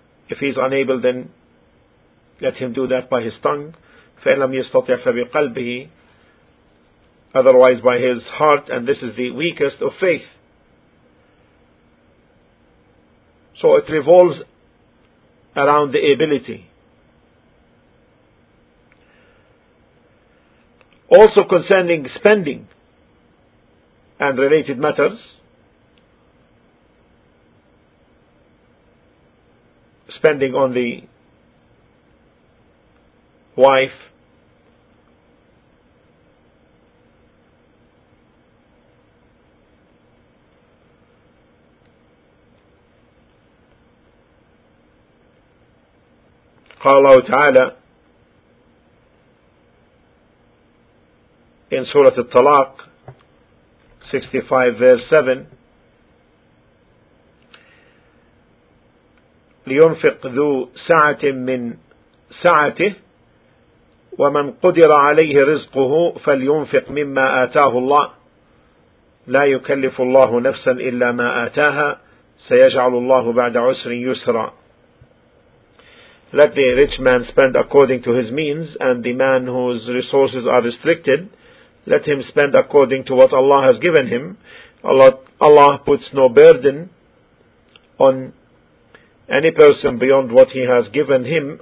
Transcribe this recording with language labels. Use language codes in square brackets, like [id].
[en] If he is unable, then let him do that by his tongue. [ar] فَإِنْ لَمْ يَسْتَطِعْ فَبِقَلْبِهِ. [en] Otherwise by his heart, and this is the weakest of faith. So it revolves around the ability. Also concerning spending and related matters, spending on the wife, [ar] قال الله تعالى [en] in Surah Al-Talaq 65 verse 7, [ar] لينفق ذو سعة من سعته ومن قدر عليه رزقه فلينفق مما آتاه الله لا يكلف الله نفسا إلا ما آتاها سيجعل الله بعد عسر يسرا. [en] Let the rich man spend according to his means, and the man whose resources are restricted, let him spend according to what Allah has given him. Allah puts no burden on any person beyond what he has given him.